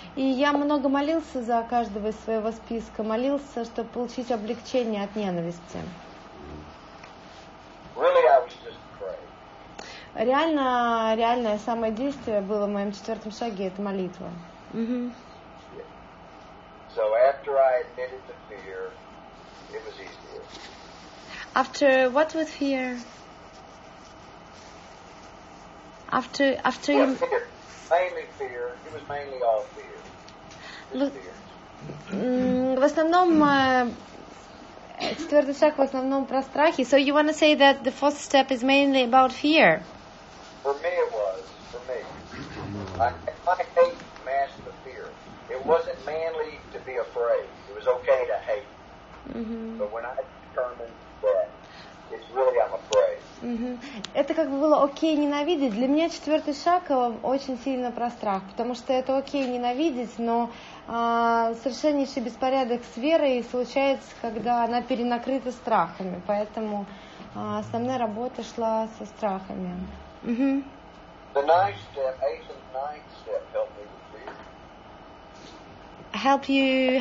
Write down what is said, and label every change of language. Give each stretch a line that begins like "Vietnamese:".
Russian: И я много молился за каждого из своего списка, молился, чтобы получить облегчение от ненависти.
English: Really, I was just praying.
Russian: Реально, реальное самое действие было в моем четвертом шаге – это молитва.
English: So after I admitted the fear, it was easier. After what was fear? After fear. Mainly fear. It was mainly all fear.
Russian: В основном четвертый шаг в основном про страхи.
English: So you want to say that the fourth step is mainly about fear? For me it was. For me. I hate mastered the fear. It wasn't manly to be afraid. It was okay to hate. Mm-hmm. But when I determined that it's really I'm afraid.
Russian: Это как бы было окей ненавидеть. Для меня четвертый шаг очень сильно про страх, потому что это окей ненавидеть, но совершеннейший беспорядок с верой случается, когда она перенакрыта страхами. Поэтому основная работа шла со страхами.
English: The ninth step, Asian ninth step helped me with fear.